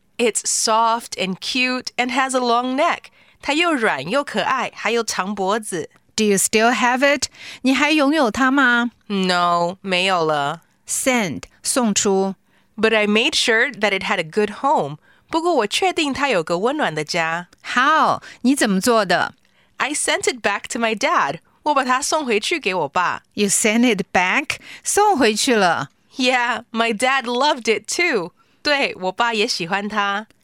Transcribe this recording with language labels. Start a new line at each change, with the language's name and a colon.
English: It's soft and cute and has a long neck.
Chinese: 它又软又可爱，还有长脖子。
English: Do you still have it?
Chinese: 你还拥有它吗？
English: No,
Chinese: 没有了。
English: Send,
Chinese: 送出。
English: But I made sure that it had a good home.
Chinese: 不过我确定他有个温暖的家。
English: How?
Chinese: 你怎么做的?
English: I sent it back to my dad.
Chinese: 我把它送回去给我爸。
English: You sent it back?
Chinese: 送回去了。
English: Yeah, my dad loved it too.
Chinese: 对,我爸也喜欢它。